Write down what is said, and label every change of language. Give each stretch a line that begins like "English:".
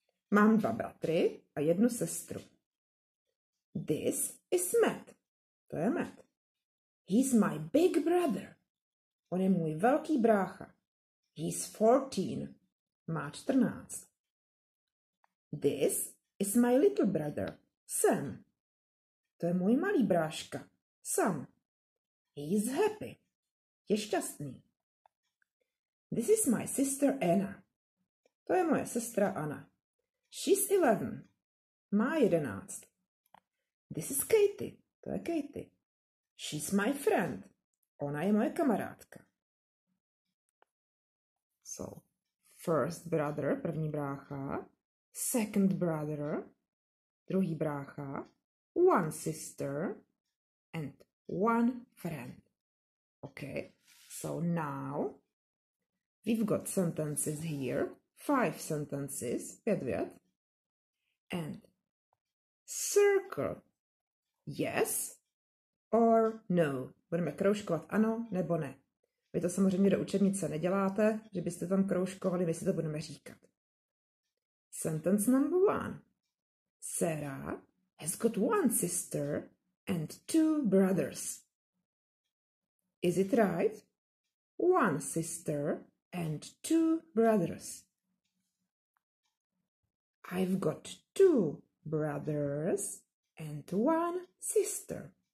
Czech: Mám dva bratry a jednu sestru.
English: This is Matt.
Czech: To je Matt.
English: He's my big brother.
Czech: On je můj velký brácha.
English: He's 14.
Czech: Má 14.
English: This is my little brother, Sam.
Czech: To je můj malý bráška, Sam.
English: He's happy.
Czech: Je šťastný.
English: This is my sister, Anna.
Czech: To je moje sestra, Anna.
English: She's 11.
Czech: Má 11.
English: This is Katie.
Czech: To je Katie.
English: She's my friend.
Czech: Ona je moje kamarádka.
English: So, first brother,
Czech: první brácha,
English: second brother,
Czech: druhý brácha,
English: one sister, and one friend. Okay, so now we've got sentences here, five sentences,
Czech: pět vět,
English: and circle, yes or no.
Czech: Budeme kroužkovat ano nebo ne. Vy to samozřejmě do učebnice neděláte, že byste tam kroužkovali, my si to budeme říkat.
English: Sentence number one. Sarah has got one sister and two brothers. Is it right? One sister and two brothers. I've got two brothers and one sister.